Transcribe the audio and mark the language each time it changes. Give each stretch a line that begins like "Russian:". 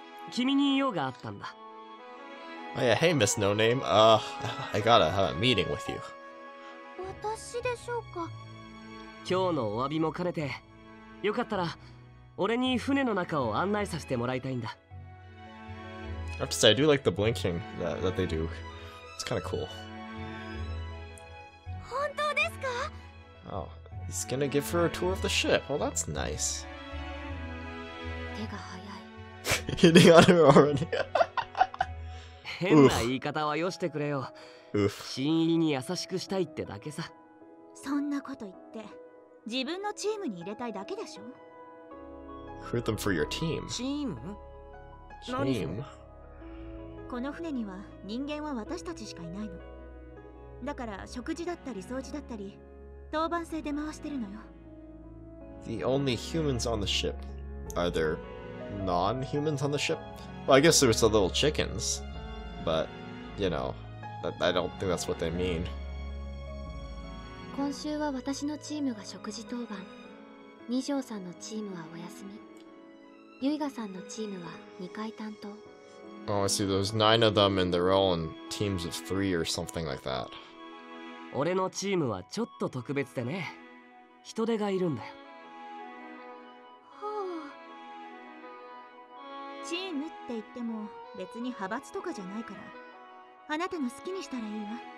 Japanese: 君に用があったんだ。
English: Oh yeah, hey Miss No Name. I gotta have a meeting with you.
Japanese: 私でしょうか。今日のお詫びも兼ねて、よかったら俺に船の中を案内させてもらいたいんだ。
English: I have to say, I do like the blinking that they do. It's kind of cool.
Japanese: 本当ですか?
English: Oh, he's gonna give her a tour of the ship. Well, that's nice.
Japanese: 手が早い。
English: Hitting on her already.
Japanese: 変な言い方はよしてくれよ。新入りに優しくしたいってだけさ。そんなこと言って、自分のチームに入れたいだけでしょ?
English: Hurt them for your team. Team?
Japanese: この船には人間は私たちしかいないの。だから食事だったり掃除だったり当番制で回してるのよ。
English: The only humans on the ship. Are there non-humans on the ship? Well, I guess there's the little chickens. But, you know, I don't think that's what they mean.
Japanese: 今週は私のチームが食事当番。二条さんのチームはお休み。ユイガさんのチームは2階担当。
English: Oh, I see. There's nine of them, and they're all in teams of three or something like that.
Japanese: 俺のチームはちょっと特別でね。人手がいるんだよ。はあ。チームって言っても別に派閥とかじゃないから、あなたの好きにしたらいいわ。